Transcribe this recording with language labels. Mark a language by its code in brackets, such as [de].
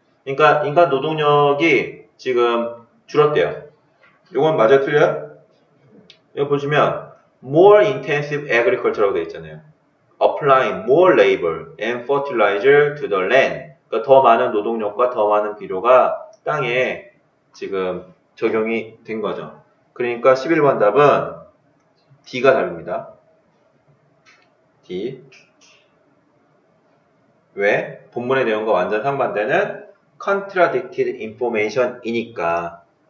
[ko] 그러니까 인간 노동력이 지금 줄었대요. 요건 맞아 틀려요? 이거 보시면 [en] more intensive agriculture [ko] 라고 되어 있잖아요. [en] Applying more labor and fertilizer to the land. [ko] 그러니까 더 많은 노동력과 더 많은 비료가 땅에 지금 적용이 된 거죠. 그러니까 11번 답은 D가 답입니다. D. 왜? 본문의 내용과 완전 상반되는 [en] contradicted information [ko] 이니까.